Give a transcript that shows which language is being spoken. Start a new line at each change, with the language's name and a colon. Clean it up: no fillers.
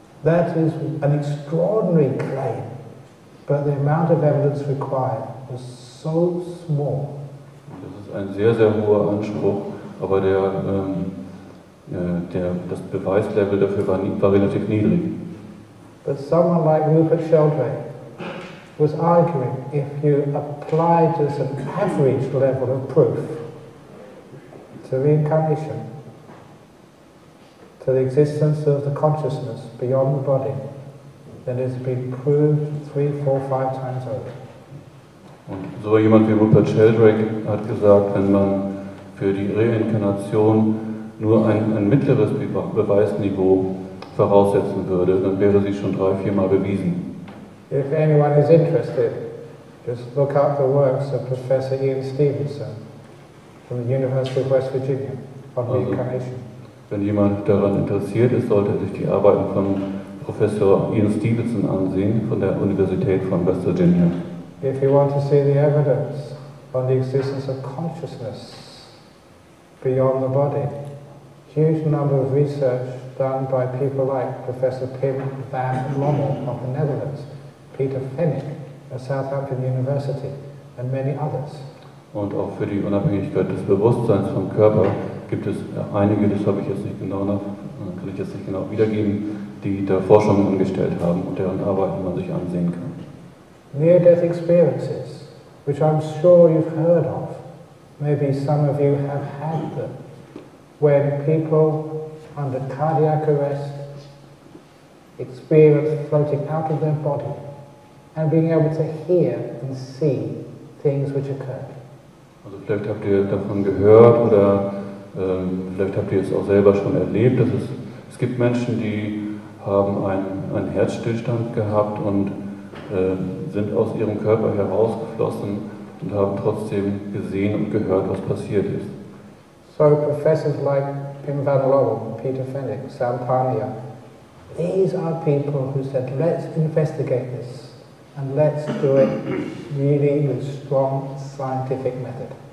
English: That is an extraordinary claim, but the amount of evidence required was so small.
German: Das ist ein sehr, sehr hoher Anspruch, aber das Beweislevel dafür war relativ niedrig.
English: But someone like Rupert Sheldrake was arguing, if you apply just an average level of proof to reincarnation, to the existence of the consciousness beyond the body, then it's been proved 3, 4, 5 times over.
German: Und so jemand wie Rupert Sheldrake hat gesagt, wenn man für die Reinkarnation nur ein mittleres Beweisniveau voraussetzen würde, dann wäre sie schon 3, 4 Mal bewiesen.
English: If anyone is interested, just look up the works of Professor Ian Stevenson from the University of West Virginia on reincarnation.
German: Wenn jemand daran interessiert ist, sollte er sich die Arbeiten von Professor Ian Stevenson ansehen von der Universität von West Virginia.
English: If you want to see the evidence, on the existence of consciousness beyond the body. Huge number of research done by people like Professor Pim van Lommel of the Netherlands, Peter Fennig at Southampton University, and many others.
German: Und auch für die Unabhängigkeit des Bewusstseins vom Körper gibt es einige, das habe ich jetzt nicht genau noch, kann ich jetzt nicht genau wiedergeben, die da Forschungen angestellt haben und deren Arbeiten man sich ansehen kann.
English: Near-death experiences, which I'm sure you've heard of, maybe some of you have had them, when people under cardiac arrest experience floating out of their body and being able to hear and see things which occurred.
German: Also vielleicht habt ihr davon gehört oder vielleicht habt ihr es auch selber schon erlebt. Dass es gibt Menschen, die haben einen Herzstillstand gehabt und sind aus ihrem Körper herausgeflossen und haben trotzdem gesehen und gehört, was passiert ist.
English: So professors like Pim van Lommel, Peter Fennig, Sam Pania, these are people who said, let's investigate this. And let's do it really with strong scientific method.